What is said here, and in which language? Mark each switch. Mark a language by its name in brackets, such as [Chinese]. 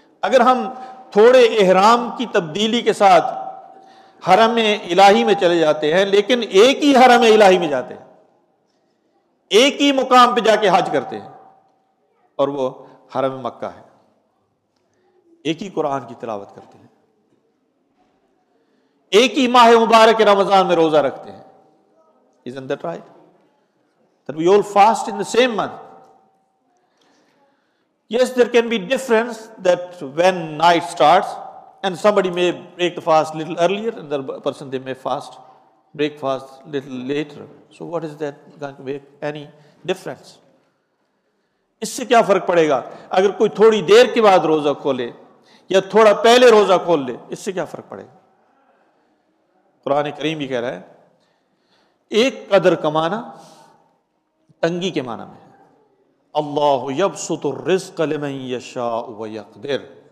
[Urdu] اگر ہم تھوڑے احرام کی تبدیلی کے ساتھ حرم الہی میں چلے جاتے ہیں، لیکن ایک ہی حرم الہی میں جاتے ہیں، ایک ہی مقام پہ جا کے حج کرتے ہیں، اور وہ حرم مکہ ہے، ایک ہی قرآن کی تلاوت کرتے ہیں، ایک ہی ماہ مبارک رمضان میں روزہ رکھتے ہیں، [English] isn't that right? That we all fast in the same month. Yes, there can be difference that when night starts and somebody may break the fast little earlier and the person they may fast break fast little later. So what is that going to make any difference? [Urdu] اس سے کیا فرق پڑے گا اگر کوئی تھوڑی دیر کے بعد روزہ کھولے یا تھوڑا پہلے روزہ کھول لے؟ اس سے کیا فرق پڑے گا؟ قرآن کریم بھی کہہ رہا ہے ایک قدر کمانا تنگی کے معنی میں ہے، [Arabic] اللہ یبسط الرزق لمن یشاء ویقدر،